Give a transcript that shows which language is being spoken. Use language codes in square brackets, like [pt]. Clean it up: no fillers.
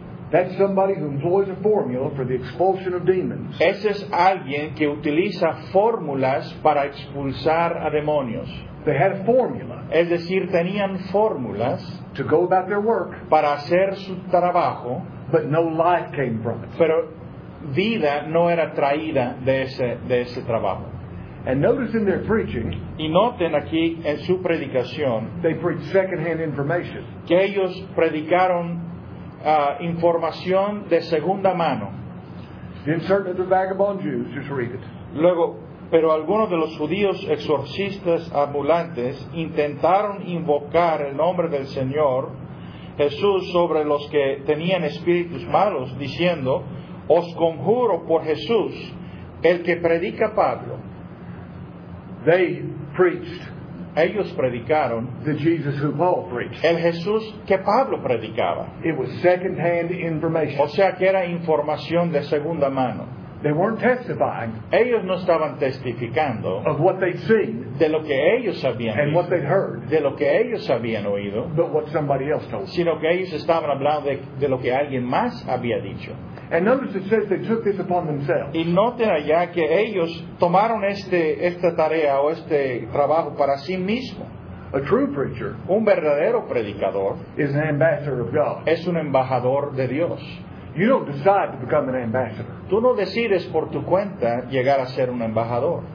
[en] That's somebody who employs a formula for the expulsion of demons. [es] Ese es alguien que utiliza fórmulas para expulsar a demonios. [en] They had a formula. [es] Es decir, tenían fórmulas [en] to go about their work. [es] Para hacer su trabajo. [en] But no life came from it. [es] Pero vida no era traída de ese trabajo. [en] And notice in their preaching, [es] y noten aquí en su predicación, [en] they preach secondhand information. [es] Que ellos predicaron información de segunda mano. [en] Then certain of the vagabond Jews, just read it. [es] Luego, pero algunos de los judíos exorcistas ambulantes intentaron invocar el nombre del Señor Jesús sobre los que tenían espíritus malos, diciendo: os conjuro por Jesús, el que predica Pablo. [en] They preached. [es] Ellos predicaron. [en] The Jesus who Paul preached. [es] El Jesús que Pablo predicaba. [en] It was second-hand information. [es] O sea que era información de segunda mano. [en] They weren't testifying. [es] Ellos no estaban testificando. [en] Of what they'd seen. [es] De lo que ellos habían [en] visto. And what they'd heard. [es] De lo que ellos habían oído. [en] But what somebody else told. [es] Sino que ellos estaban hablando de lo que alguien más había dicho. [en] And notice it says they took this upon themselves. [es] Y noten allá que ellos tomaron esta tarea o este trabajo para sí mismo. [en] A true preacher. [es] Un verdadero predicador. [en] Is an ambassador of God. [es] Es un embajador de Dios. [en] You don't decide to become an ambassador. [es] Tú no decides por tu cuenta llegar a ser un embajador.